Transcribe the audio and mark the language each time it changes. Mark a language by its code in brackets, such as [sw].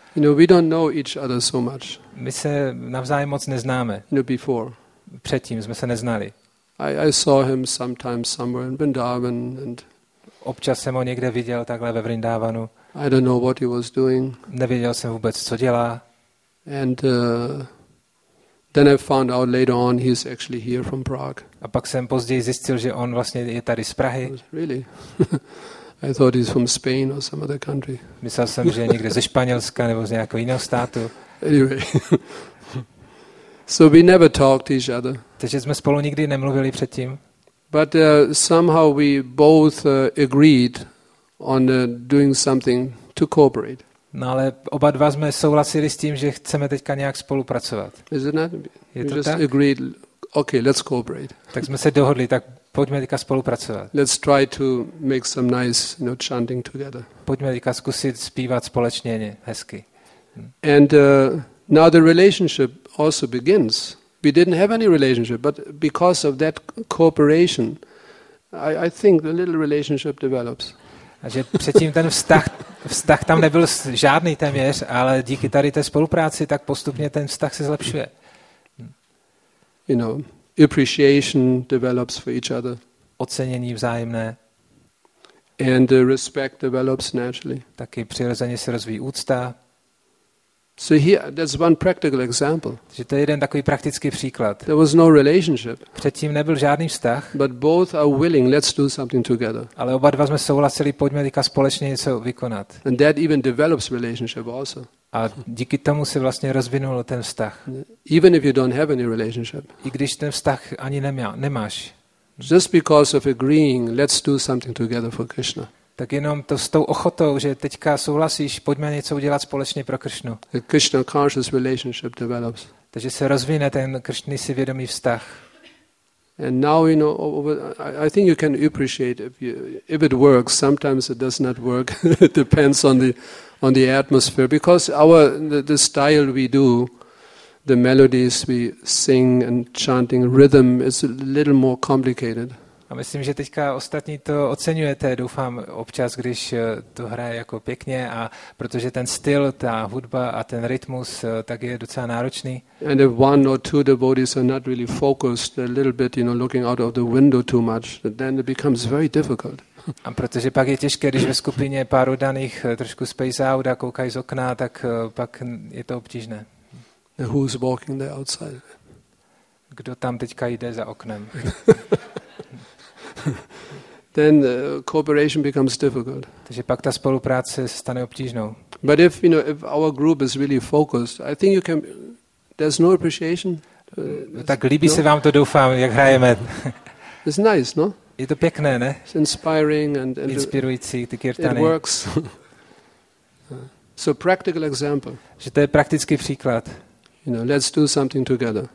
[en] You know, we don't know each other so much. [cs] My se navzájem moc neznáme. [en] You know, before. [cs] Předtím jsme se neznali. [en] I saw him sometimes somewhere in Vrindavan and [cs] občas jsem ho někde viděl takhle ve Vrindavanu. [en] I don't know what he was doing. [cs] Nevěděl jsem vůbec, co dělá. [en] And then I found out later on he's actually here from Prague. [cs] A pak jsem později zjistil, že on vlastně je tady z Prahy. [en] Really? I thought he's from Spain or some other country. [cs] Myslel jsem, že je někde ze Španělska nebo z nějakého jiného státu. [en] Anyway. So we never talked to each other. [cs] Takže jsme spolu nikdy nemluvili předtím. [en] But somehow we both agreed on doing something to cooperate. [cs] No, ale oba dva jsme souhlasili s tím, že chceme teďka nějak spolupracovat. [en] Is it not? [cs] Je to [en] just [cs] tak? [en] Agreed. Okay, let's cooperate. [cs] Tak jsme se dohodli, tak pojďme teďka spolupracovat. [en] Let's try to make some nice, you know, chanting together. [cs] Pojďme teďka zkusit zpívat společně hezky. [en] And now the relationship also begins. We didn't have any relationship, but because of that cooperation, I think the little relationship develops. [cs] A že předtím ten vztah tam nebyl žádný téměř, ale díky tady té spolupráci tak postupně ten vztah se zlepšuje. [en] You know, appreciation develops for each other. [cs] Ocenění vzájemné. [en] And the respect develops naturally. [cs] Taky přirozeně se rozvíjí úcta. [en] So here, that's one practical example. [cs] Že to je jeden takový praktický příklad. [en] There was no relationship. [cs] Předtím nebyl žádný vztah. [en] But both are willing. Let's do something together. [cs] Ale oba dva jsme souhlasili, pojďme teďka společně něco vykonat. [en] And that even develops relationship also. [cs] A díky tomu se vlastně rozvinul ten vztah. [en] Even if you don't have any relationship. [cs] I když ten vztah ani nemáš. [en] Just because of agreeing, let's do something together for Krishna. [cs] Tak jenom to s tou ochotou, že teďka souhlasíš, pojďme něco udělat společně pro Krishnu. [en] The Krishna conscious relationship develops. [cs] Takže se rozvine ten Krishna si vědomý vztah. [en] And now you know, I think you can appreciate if it works. Sometimes it does not work. It depends on the atmosphere, because the style we do, the melodies we sing and chanting, rhythm is a little more complicated. [cs] A myslím, že teďka ostatní to oceňujete, doufám, občas, když to hraje jako pěkně, a protože ten styl, ta hudba a ten rytmus, tak je docela náročný. [en] And if one or two devotees are not really focused, a little bit, you know, looking out of the window too much, then it becomes very difficult. [cs] A protože pak je těžké, když ve skupině pár oddaných trošku [en] space out [cs] a koukají z okna, tak pak je to obtížné. [en] And who's walking there outside? [cs] Kdo tam teďka jde za oknem? [en] Then cooperation becomes difficult. [cs] Takže pak ta spolupráce stane obtížnou. [en] But if you know if our group is really focused, I think you can. There's no appreciation. [cs] Tak líbí se vám to, doufám, jak hrajeme. [en] It's nice, no? [cs] Je to pěkné, ne? [en] It's inspiring and [cs] inspirující, ty kirtany. [en] It works. So practical example. [cs] Že to je praktický příklad. [en] You know, let's do something together.